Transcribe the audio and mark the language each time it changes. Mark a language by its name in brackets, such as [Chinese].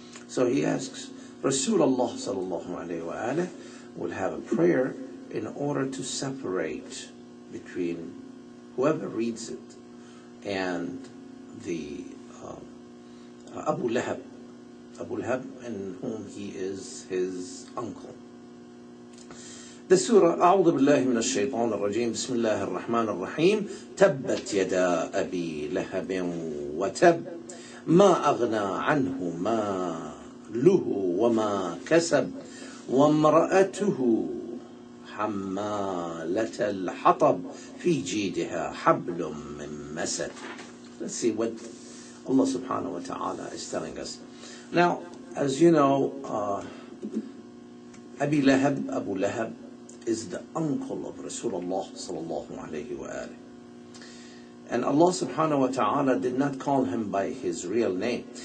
[English] So he asks Rasulullah sallallahu alayhi wa alayhi will have a prayer in order to separate between whoever reads it and the Abu Lahab, in whom he is his uncle. The surah, [Arabic] أعوذ بالله من الشيطان الرجيم, بسم الله الرحمن الرحيم, تبت يدا أبي لهب وتب, ما أغنى عنه ماله وما كسب, وامرأته حمالة الحطب, في جيدها حبل من مسد. [English] Let's see what Allah subhanahu wa ta'ala is telling us. Now, as you know, Abu Lahab, is the uncle of Rasulullah sallallahu alayhi wa alayhi. And Allah subhanahu wa ta'ala did not call him by his real name.